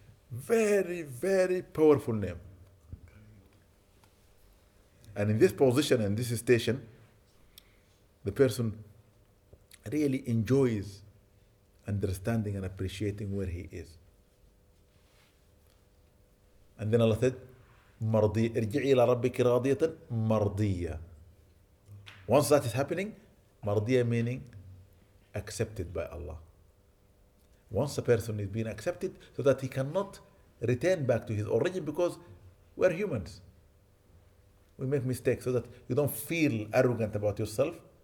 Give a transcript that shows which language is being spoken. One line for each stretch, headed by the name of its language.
English: Very, very powerful name. And in this position, in this station, the person really enjoys understanding and appreciating where he is. And then Allah said,
Arabic: مرضي, ارجعي إلى ربك راضية مرضية.
English: Once that is happening, مرضية meaning accepted by Allah. Once a person is being accepted, so that he cannot return back to his origin because we're humans. We make mistakes so that you don't feel arrogant about yourself.